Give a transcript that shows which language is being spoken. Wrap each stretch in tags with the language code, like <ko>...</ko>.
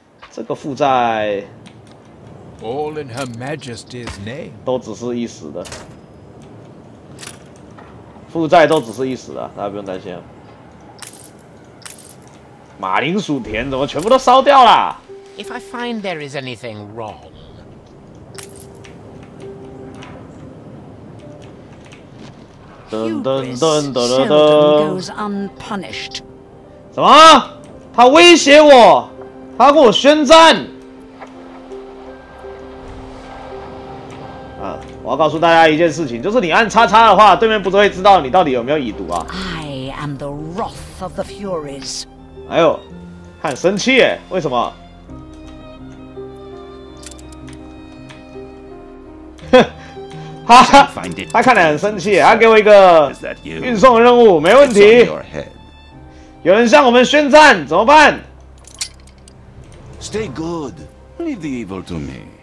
<zh>这个负债</zh> <en>，All in Her Majesty's name，</en> <zh>都只是一时的。负债都只是一时的，大家不用担心。马铃薯田怎么全部都烧掉了</zh> <en>？If I find there is anything wrong。</en> <zh>什么？他威胁我，他跟我宣战。啊！我要告诉大家一件事情，就是你按叉叉的话，对面不会知道你到底有没有已读啊。</zh> <en>I am the wrath of the Furies。</en> <zh>哎呦，他很生气耶，为什么？他看得很生气，他给我一个运送任务，没问题。有人向我们宣战，怎么办</zh> <en>？Stay good, leave the evil to me.</en>